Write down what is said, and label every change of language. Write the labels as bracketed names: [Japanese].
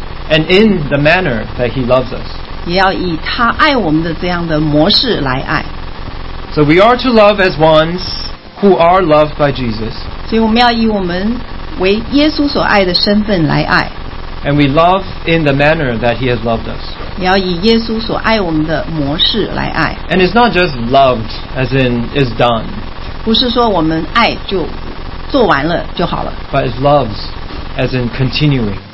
[English] And in the manner that he loves us. [Chinese] 也要以他爱我们的这样的模式来爱。 [English] So we are to love as ones who are loved by Jesus. [Chinese] 所以我们要以我们为耶稣所爱的身份来爱。 [English] And we love in the manner that he has loved us. [Chinese] 也要以耶稣所爱我们的模式来爱。 [English] And it's not just loved as in is done. [Chinese] 不是说我们爱就做完了就好了。 [English] But it's loves as in continuing.